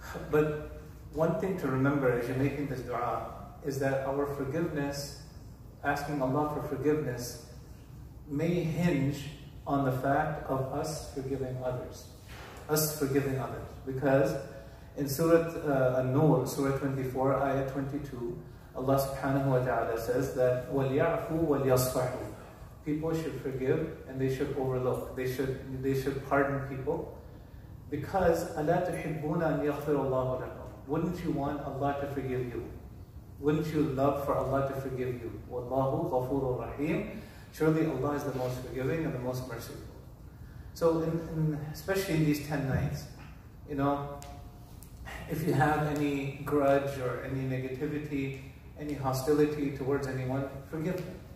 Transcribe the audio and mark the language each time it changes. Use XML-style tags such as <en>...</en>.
<en>But one thing to remember as you're making this dua is that our forgiveness, asking Allah for forgiveness, may hinge on the fact of us forgiving others. Us forgiving others. Because in Surah An-Nur, Surah 24, Ayah 22, Allah subhanahu wa ta'ala says that, وَلْيَعْفُوا وَلْيَصْفَحُوا. People should forgive and they should overlook. They should pardon people.</en> <ar>Because أَلَا تُحِبُّونَ أَنْ يَغْفِرَ اللَّهُ لَكُمْ.</ar> <en>Wouldn't you want Allah to forgive you? Wouldn't you love for Allah to forgive you?</en> <ar>وَاللَّهُ غَفُورُ الرَّحِيمُ.</ar> <en>Surely Allah is the most forgiving and the most merciful. So especially in these 10 nights, you know, if you have any grudge or any negativity, any hostility towards anyone, forgive them.</en>